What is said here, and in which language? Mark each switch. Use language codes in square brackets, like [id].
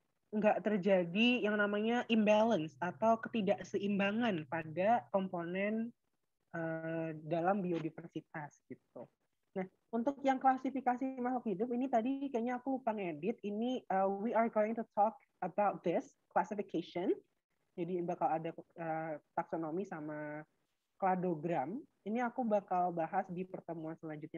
[id] nggak terjadi yang namanya imbalance atau ketidakseimbangan pada komponen dalam biodiversitas gitu. Nah, untuk yang klasifikasi makhluk hidup ini tadi kayaknya aku lupa ngedit. [en] Ini we are going to talk about this classification. [id] Jadi bakal ada taksonomi sama kladogram. Ini aku bakal bahas di pertemuan selanjutnya.